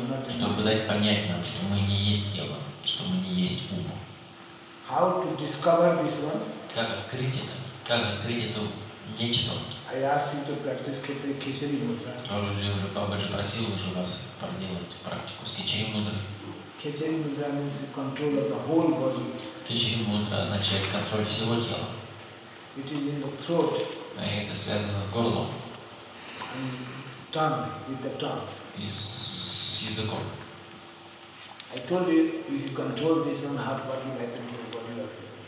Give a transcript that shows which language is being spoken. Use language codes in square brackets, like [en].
[ru] Чтобы дать понять нам, что мы не есть тело, что мы не есть ум. [en] How to discover this one? [ru] Как открыть это? Как открыть это нечто? [en] I ask you to practice Khichdi Khichdi Mudra. [ru] Уже Бабаджи просил уже вас проделать практику с Khichdi Mudra. [en] Khichdi Mudra means the control of the whole body. [ru] Khichdi Mudra означает контроль всего тела. [en] It is in the throat. [ru] А это связано с горлом. [en] And tongue, with the tongue. [ru] И с языком. [en] I told you, if you control this one heart body, you can control the body of the